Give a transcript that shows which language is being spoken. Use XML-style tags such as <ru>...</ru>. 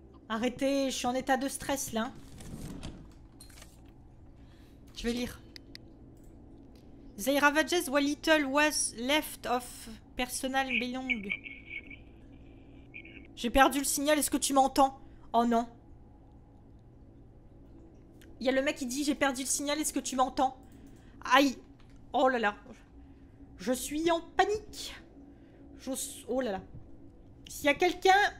<fr>Arrêtez, je suis en état de stress là. Je vais lire.</fr> <en>They ravages what little was left of personal belong.</en> <fr>J'ai perdu le signal, est-ce que tu m'entends? Oh non. Il y a le mec qui dit j'ai perdu le signal, est-ce que tu m'entends? Aïe! Oh là là. Je suis en panique. Oh là là. S'il y a quelqu'un...</fr>